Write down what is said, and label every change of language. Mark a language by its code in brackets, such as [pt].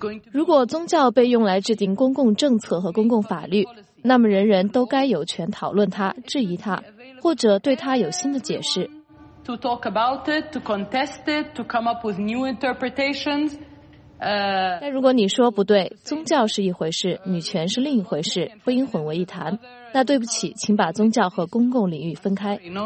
[zh] 如果宗教被用来制定公共政策和公共法律，那么人人都该有权讨论它、质疑它，或者对它有新的解释。 [en] To talk about it, to contest it, to come up with new interpretations. [zh] 但如果你说不对，宗教是一回事，女权是另一回事，不应混为一谈，那对不起，请把宗教和公共领域分开。